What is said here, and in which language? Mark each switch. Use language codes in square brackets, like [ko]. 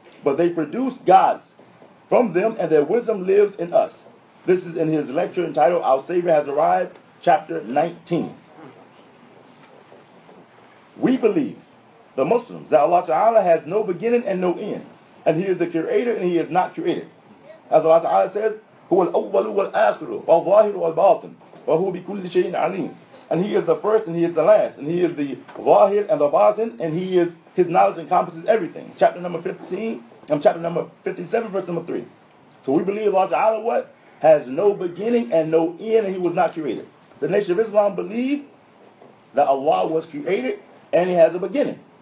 [en] But they produce gods from them, and their wisdom lives in us. This is in his lecture entitled, Our Savior Has Arrived, chapter 19. We believe, the Muslims, that Allah Ta'ala has no beginning and no end. And He is the creator and He is not created. As Allah Ta'ala says, [ar] هُوَ الْأَوَّلُ وَالْآخِرُ وَالظَّاهِرُ وَالْبَاطِنُ وَهُوَ بِكُلِّ شَيْءٍ عَلِيمٌ. [en] And He is the first and He is the last. And He is the Wahid and the Batin. And He is, His knowledge encompasses everything. Chapter number 15, chapter number 57, verse number 3. So we believe Allah Ta'ala what? Has no beginning and no end, and He was not created. The Nation of Islam believe that Allah was created and He has a beginning.